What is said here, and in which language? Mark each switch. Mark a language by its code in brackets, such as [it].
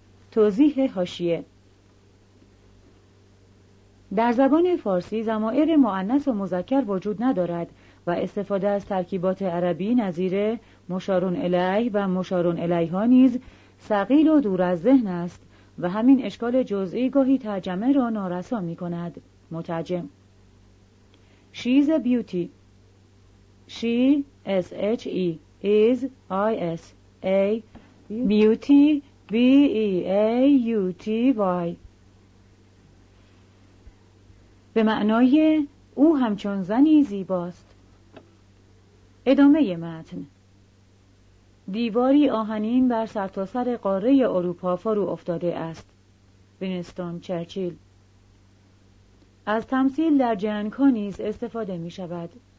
[fa] توضیح حاشیه: در زبان فارسی ضمایر مؤنث و مذکر وجود ندارد و استفاده از ترکیبات عربی نظیر مشارون الیه و مشارون الیها نیز ثقیل و دور از ذهن است و همین اشکال جزئی گاهی ترجمه را نارسا می کند. [en] مترجم: She's a beauty. She S H E is I S A beauty B E A U T Y. [fa] به معنای او همچون زنی زیباست. ادامه متن: دیواری آهنین بر سرتاسر قاره اروپا فرو افتاده است. وینستون چرچیل. از تمثیل در جنگ ها نیز استفاده می شود.